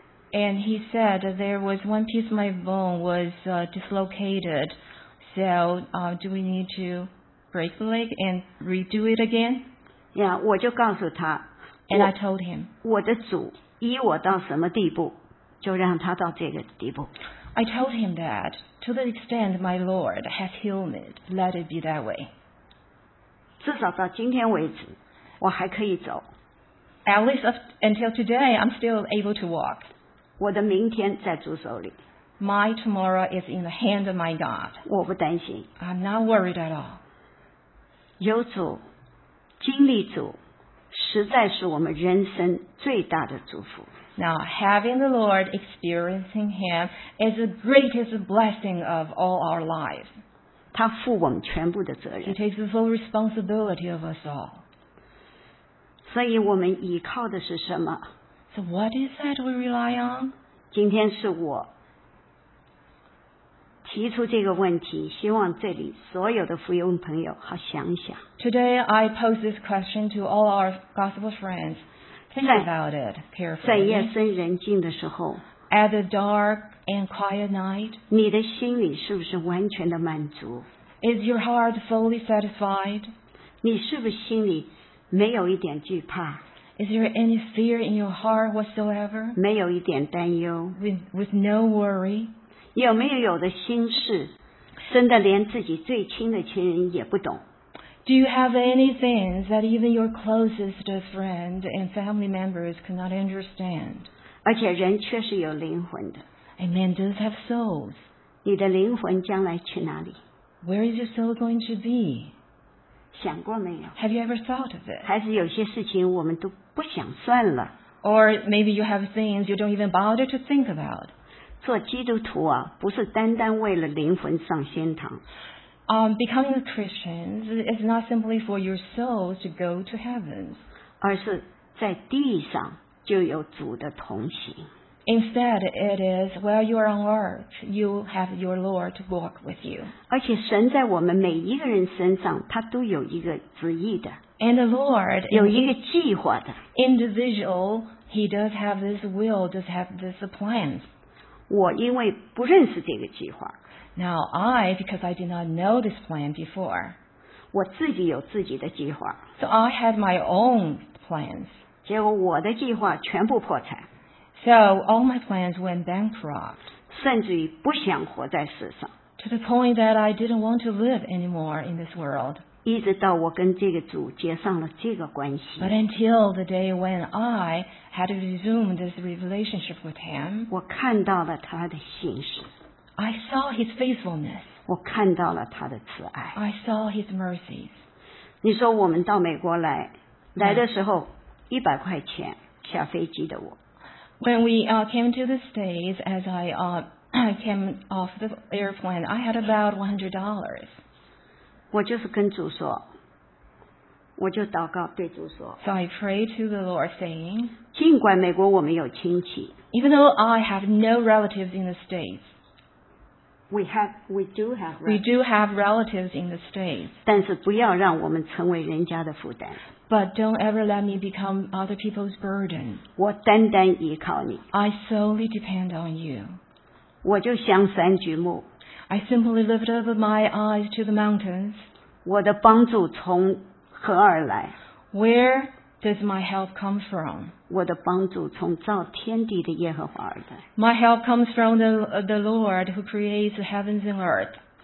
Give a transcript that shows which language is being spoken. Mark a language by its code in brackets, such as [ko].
[en] ？And he said there was one piece of my bone was dislocated, so do we need to break the leg and redo it again? Yeah, [zh] 我就告诉他 [en] ，And I told him, [zh] 我的主依我到什么地步，就让他到这个地步。 [en] I told him that to the extent my Lord has healed it, let it be that way. [zh] 至少到今天为止，我还可以走。 [en] At least until today, I'm still able to walk. [zh] 我的明天在主手里。 [en] My tomorrow is in the hand of my God. [zh] 我不担心。 [en] I'm not worried at all. [zh] 有主，经历主，实在是我们人生最大的祝福。 [en] Now, having the Lord, experiencing Him, is the greatest blessing of all our lives. [zh] 他负我们全部的责任。 [en] He takes the full responsibility of us all. [zh] 所以我们依靠的是什么 [en] ？So what is that we rely on? [zh] 今天是我提出这个问题，希望这里所有的福音朋友好想想。 [en] Today I pose this question to all our gospel friends. Think about it carefully. [zh] 在夜深人静的时候。 [en] At the dark and quiet night, [zh] 你的心里是不是完全的满足 [en] Is your heart fully satisfied? [zh] 你是不是心里没有一点惧怕 [en] Is there any fear in your heart whatsoever? [zh] 没有一点担忧 [en] With no worry? [zh] 有没有有的心事真的连自己最亲的亲人也不懂 [en] Do you have any things that even your closest friend and family members cannot understand? [zh] 而且人确实有灵魂的。 [en] And men do have souls. [zh] 你的灵魂将来去哪里 [en] ？Where is your soul going to be? [zh] 想过没有？ [en] Have you ever thought of it? [zh] 还是有些事情我们都不想算了？ [en] Or maybe you have things you don't even bother to think about. [zh] 做基督徒啊，不是单单为了灵魂上天堂。 [en] Becoming a Christian is not simply for your soul to go to heaven. [zh] 而是在地上就有主的同行。 [en] Instead, it is while you are on earth, you have your Lord to walk with you. [zh] 而且神在我们每一个人身上，他都有一个旨意的。 [en] And the Lord [zh] 有一个计划的。 [en] Individual, he does have this will, does have this plan. [zh] 我因为不认识这个计划。 [en] Now I, because I did not know this plan before. [zh] 我自己有自己的计划。 [en] So I had my own plans. [zh] 结果我的计划全部破产。 [en] So all my plans went bankrupt. [zh] 甚至于不想活在世上。 [en] To the point that I didn't want to live anymore in this world. [zh] 一直到我跟这个主结上了这个关系。 [en] But until the day when I had to resume this relationship with him, [zh] 我看到了他的信实。 [en] I saw his faithfulness. [zh] 我看到了他的慈爱。 [en] I saw his mercies. [zh] 你说我们到美国来，来的时候$100下飞机的我。 [en] When we came to the States, as I came off the airplane, I had about $100. [zh] 我就是跟主说，我就祷告对主说。 [en] So I prayed to the Lord, saying, [zh] 尽管美国我们有亲戚。 [en] Even though I have no relatives in the States, we do have relatives in the States. [zh] 但是不要让我们成为人家的负担。 [en] But don't ever let me become other people's burden. [zh] 我单单依靠你。 [en] I solely depend on you. [zh] 我就向山举目。 [en] I simply lift up my eyes to the mountains. [zh] 我的帮助从何而来？ [en] Where does my help come from? [zh] 我的帮助从造天地的耶和华而来。 [en] My help comes from the Lord who creates the heavens and earth.